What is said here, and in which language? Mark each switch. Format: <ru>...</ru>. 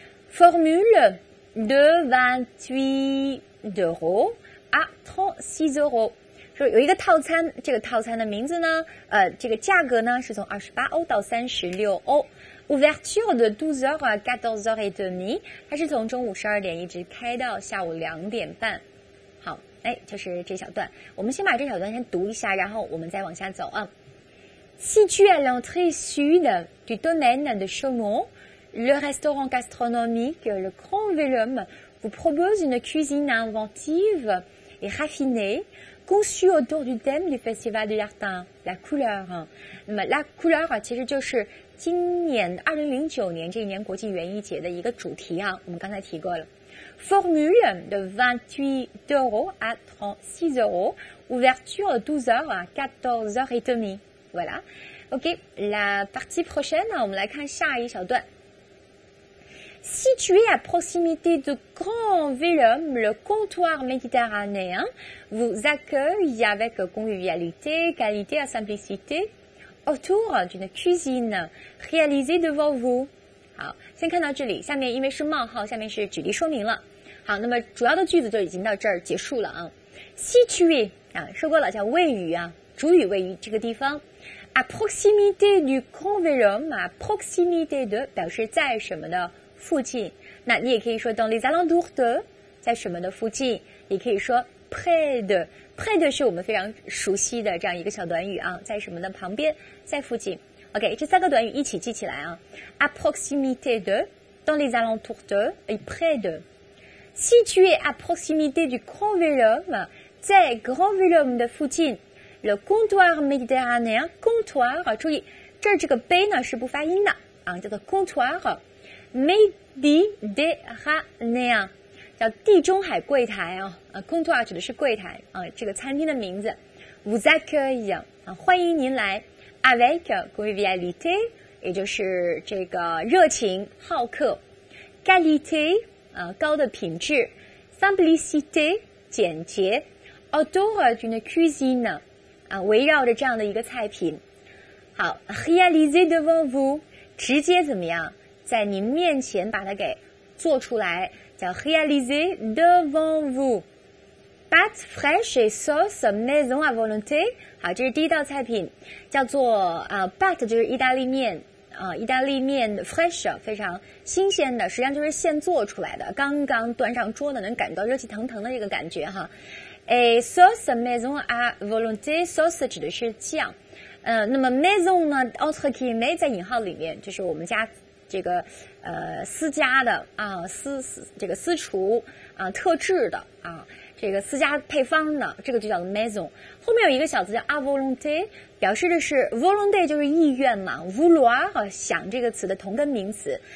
<fr>Formule de 28€ à 36€，</fr> <zh>说有一个套餐，这个套餐的名字呢，这个价格呢是从28欧到36欧。</zh> <fr>Ouverture de 12h à 14h30，</fr> <zh>它是从中午12点一直开到下午2点半。好，哎，就是这小段，我们先把这小段先读一下，然后我们再往下走啊。</zh> <fr>Situé à l'entrée sud du domaine de Chaumont, le restaurant gastronomique Le Grand Velum. Vous propose une cuisine inventive et raffinée, conçue autour du thème du festival du jardin, la couleur.</fr> <zh>那么 la couleur 其实就是今年2009年这一年国际园艺节的一个主题啊，我们刚才提过了。</zh> <fr>Formule de 28€ à 36€, ouverture 12h à 14h30. Voilà.</fr> <zh>OK,</zh> <fr>la partie prochaine,</fr> <zh>我们来看下一小段。</zh> <fr>Situé à proximité de Grand Velum, le comptoir méditerranéen vous accueille avec convivialité, qualité et simplicité autour d'une cuisine réalisée devant vous.</fr> <zh>好，先看到这里，下面因为是冒号，下面是举例说明了。好，那么主要的句子就已经到这儿结束了啊。Situé 啊，说过了，叫位于啊，主语位于这个地方。</zh> <fr>À proximité du Grand Velum, à proximité de</fr> <zh>表示在什么的。附近，那你也可以说</zh> <fr>dans les alentours de，</fr> <zh>在什么的附近，也可以说</zh> <fr>près de</fr> <zh>是我们非常熟悉的这样一个小短语啊，在什么的旁边，在附近。 OK， 这三个短语一起记起来啊 ，</zh> <fr>à proximité de， dans les alentours de et près de， situé à proximité du Grand Velum，</fr> <zh>在 Grand Velum 的附近 ，</zh> <fr>le comptoir méditerranéen，</fr> <zh>comptoir 注意这儿这个杯呢是不发音的啊，叫做 comptoir。 Méditerranéen 叫地中海柜台啊，comptoir 指的是柜台啊，这个餐厅的名字。</zh> <fr>Vous accueillez</fr> <zh>啊，欢迎您来 ，</zh> <fr>avec convivialité</fr> <zh>也就是这个热情好客 ，qualité 啊高的品质 ，simplicité 简洁 ，</zh> <fr>autour d'une cuisine</fr> <zh>啊围绕着这样的一个菜品。好 ，</zh> <fr>réalisé devant vous</fr> <zh>直接怎么样？在您面前把它给做出来，叫</zh> <fr>réaliser devant vous. Pâte fraîche et sauce maison à volonté.</fr> <zh>好，这是第一道菜品，叫做pâte 就是意大利面。意大利面 fresh 非常新鲜的，实际上就是现做出来的，刚刚端上桌的，能感觉到热气腾腾的一个感觉哈。</zh> <fr>Et sauce maison à volonté, sauce</fr> <zh>指的是酱。那么 maison 呢 ，entre qui 没在引号里面，就是我们家这个私家的啊，这个私厨啊，特制的啊，这个私家配方的，这个就叫做 maison。后面有一个小词叫</zh> <fr>à volonté，</fr> <zh>表示的是 volonté 就是意愿嘛 ，vouloir 想这个词的同根名词。</zh>